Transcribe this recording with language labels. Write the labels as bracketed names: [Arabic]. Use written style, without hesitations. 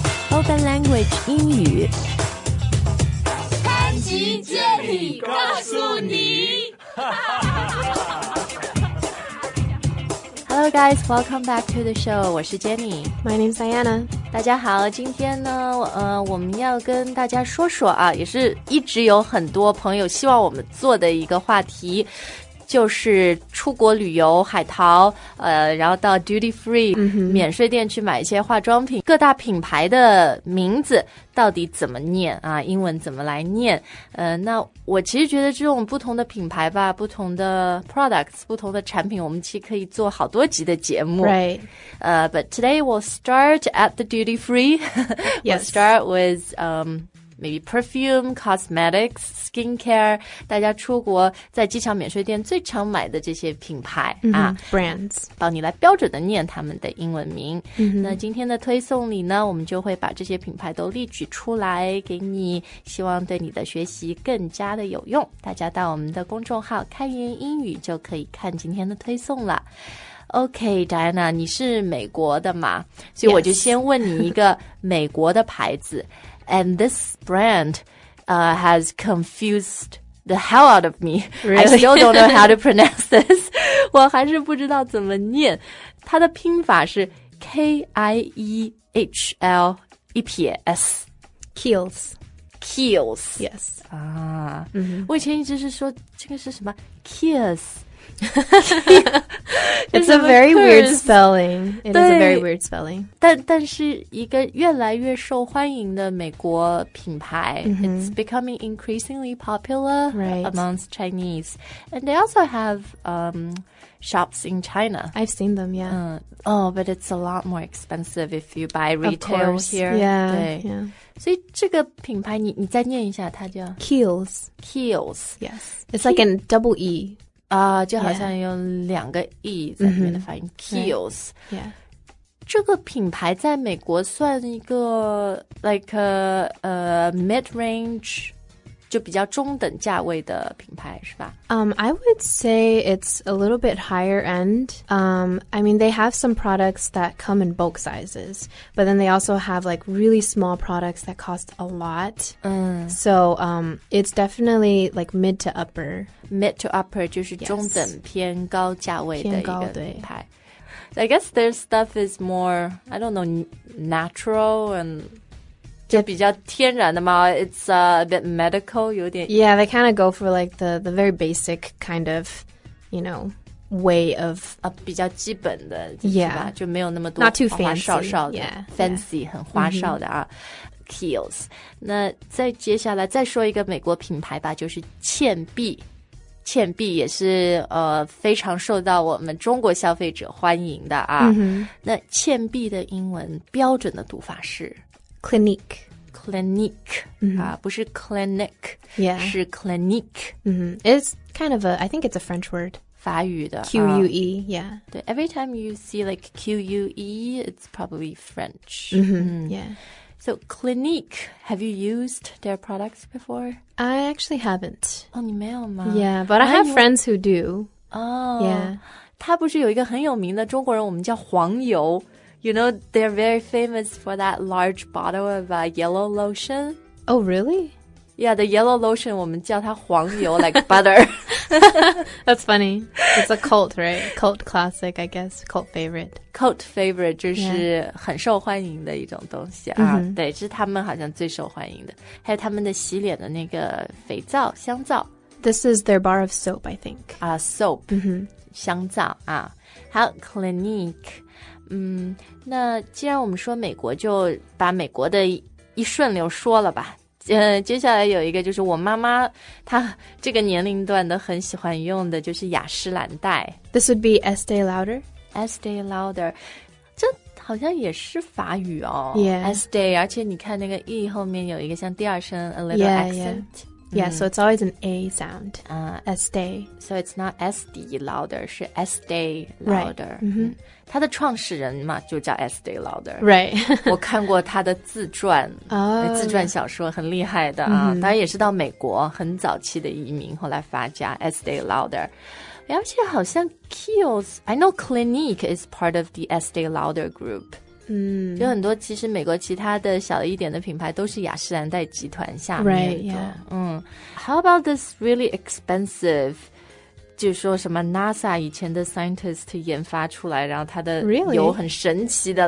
[Chinese] Open Language 英语，潘吉接你告诉你。 [English] Hello guys, welcome back to the show. [Chinese] 我是 Jenny. [English] My name is Diana. [Chinese] 大家好，今天呢，我们要跟大家说说啊，也是一直有很多朋友希望我们做的一个话题，就是出国旅游、海淘，然后到 duty free、免税店去买一些化妆品，各大品牌的名字到底怎么念啊？英文怎么来念？那我其实觉得这种不同的品牌吧，不同的 products, 不同的产品，我们其实可以做好多集的节目。 [English] Right. But today we'll start at the duty free. Yes. We'll start with maybe perfume, cosmetics, skincare, [Chinese] 大家出国在机场免税店最常买的这些品牌、 [English] Brands. [Chinese] 帮你来标准的念他们的英文名。 Mm-hmm. 那今天的推送里呢，我们就会把这些品牌都列举出来给你，希望对你的学习更加的有用。大家到我们的公众号开言英语就可以看今天的推送了。 OK, Diana, 你是美国的嘛？所以我就先问你一个美国的牌子。 [English] Yes. And this brand, has confused the hell out of me. Really? I still don't know how to pronounce this. [Chinese] 我还是不知道怎么念。它的拼法是 K-I-E-H-L-E-P-S. [English] Kiehl's. Kiehl's. Yes. [Chinese] 啊、我以前一直是说这个是什么 Kiehl's. [English] It's a very weird spelling. It is a very weird spelling. [Chinese] 但是一个越来越受欢迎的美国品牌、 [English] It's becoming increasingly popular、 right. amongst Chinese. And they also have、shops in China. I've seen them, yeah.、 But it's a lot more expensive if you buy retail here. Yeah, yeah. [Chinese] 所以这个品牌你再念一下它叫 [English] Kiehl's. Kiehl's. Yes. It's like a double E. [Chinese] 就好像有两个 E 在里面的发音、Kiehl's、 [English] yeah. [Chinese] 这个品牌在美国算一个 [English] like a mid-range [Chinese] 就比较中等价位的品牌是吧、 [English] I would say it's a little bit higher end、I mean they have some products that come in bulk sizes but then they also have like really small products that cost a lot、so it's definitely like mid to upper Mid to upper [Chinese] 就是中等偏高价位的一个品牌 [English] I guess their stuff is more, I don't know, natural and [Chinese] 就比较天然的嘛 [English] It's a bit medical, [Chinese] 有点 [English] Yeah, they kind of go for like the very basic kind of, you know, way of [Chinese] 比较基本的 [English] Yeah, [Chinese] 就没有那么多 [English] Not too fancy [Chinese] 花哨哨的 [English] yeah, Fancy, yeah. [Chinese] 很花哨的啊、Kiehl's 那再接下来再说一个美国品牌吧就是倩碧倩碧也是非常受到我们中国消费者欢迎的啊。那倩碧的英文标准的读法是 [English] Clinique. [Chinese] Clinique.、不是 Clinic. [English] Yeah. [Chinese] 是 Clinique.、 [English] It's kind of I think it's a French word. [Chinese] 法语的。 [English] Q-U-E, yeah. 对 every time you see like Q-U-E, it's probably French.、 Yeah. So, Clinique, have you used their products before? I actually haven't. [Chinese] Oh, 你没有吗? [English] Yeah, but I have friends who do. Oh. Yeah. [Chinese] 它不是有一个很有名的中国人我们叫黄油? [English] You know, they're very famous for that large bottle of yellow lotion. Oh, really? Yeah, the yellow lotion, [Chinese] 我们叫它黄油, [English] like butter. That's funny. It's a cult, right? Cult classic, I guess. Cult favorite. [Chinese] Cult favorite 就是很受欢迎的一种东西啊。 [English] Yeah. [Chinese] 对，这是他们好像最受欢迎的。还有他们的洗脸的那个肥皂、香皂。 [English] This is their bar of soap, I think. [Chinese] Soap,、香皂啊。还有 Clinique。那既然我们说美国，就把美国的一顺流说了吧。接下来有一个就是我妈妈她这个年龄段的很喜欢用的就是雅诗兰黛 [English] This would be Estee Lauder [Chinese] Estee Lauder 这好像也是法语哦 [English] Yeah [Chinese] Estee 而且你看那个 E 后面有一个像第二声 [English] A little yeah, accent yeah. Yeah so it's always an A sound Estee So it's not Estee Lauder 是 Estee Lauder Right、 [Chinese] 他的创始人嘛就叫 Estee Lauder [English] Right [Chinese] 我看过他的自传、自传小说很厉害的啊、当然也是到美国很早期的移民后来发家 Estee Lauder 而且好像 Kiehl's [English] I know Clinique is part of the Estee Lauder group [Chinese] 有很多其实美国其他的小一点的品牌都是雅诗兰黛集团下面的 [English] Right, yeah. How about this really expensive? [Chinese] 就说什么 NASA 以前的 scientist 研发出来然后它的油很神奇的、